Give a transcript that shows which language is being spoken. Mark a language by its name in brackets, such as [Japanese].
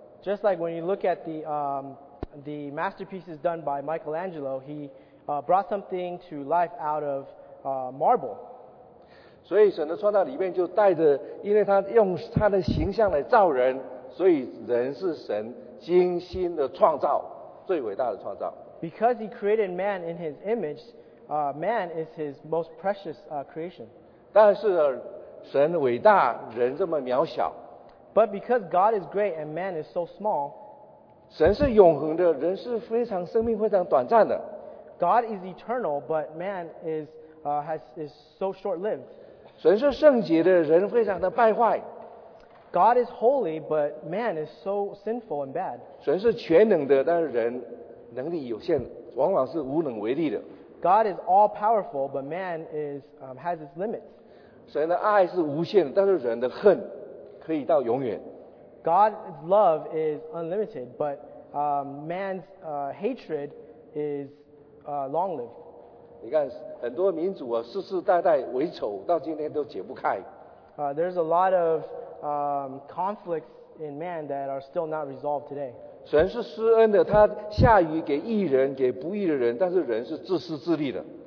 [English] Just like when you look at the masterpieces done by Michelangelo, he brought something to life out of marble. [Chinese] 所以神的创造里面就带着，因为他用他的形象来造人，所以人是神精心的创造，最伟大的创造。 [English] Because he created man in his image, man is his most precious creation. [Chinese] 但是神伟大，人这么渺小。 [English] But because God is great and man is so small, [Chinese] 神是永恒的，人是非常生命非常短暂的。 [English] God is eternal, but man is so short-lived. [Chinese] 神是圣洁的，人非常的败坏。 [English] God is holy, but man is so sinful and bad. [Chinese] 神是全能的，但是人能力有限，往往是无能为力的。 [English] God is all powerful, but man is has its limits. [Chinese] 神的爱是无限的，但是人的恨可以到永远。 [English] God's love is unlimited, but man's hatred is long-lived. [Chinese] 你看很多民族啊，世世代代为仇，到今天都解不开。 [English] There's a lot of conflicts in man that are still not resolved today. [Chinese] 神是施恩的，他下雨给义人，给不义的人，但是人是自私自利的。